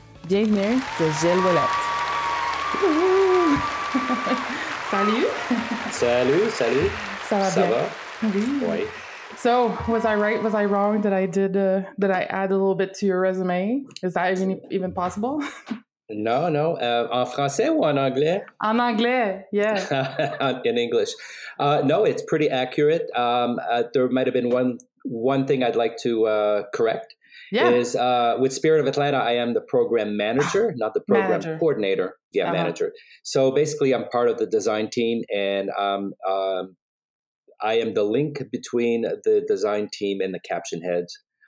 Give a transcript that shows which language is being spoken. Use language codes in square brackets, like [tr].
[fr] Bienvenue [en] to Gilles Ouellette. [fr] Salut. Salut, salut. Ça va bien? Ça va? Oui. [en] So, was I right? Was I wrong? Did I add a little bit to your resume? Is that even possible? No. [fr] En français ou en anglais? En anglais, yeah. [en] In English. No, it's pretty accurate. There might have been one thing I'd like to correct. Yeah. Is with Spirit of Atlanta, I am the program manager, not the program manager. Coordinator. Yeah, uh-huh. Manager. So basically, I'm part of the design team, and I am the link between the design team and the caption heads.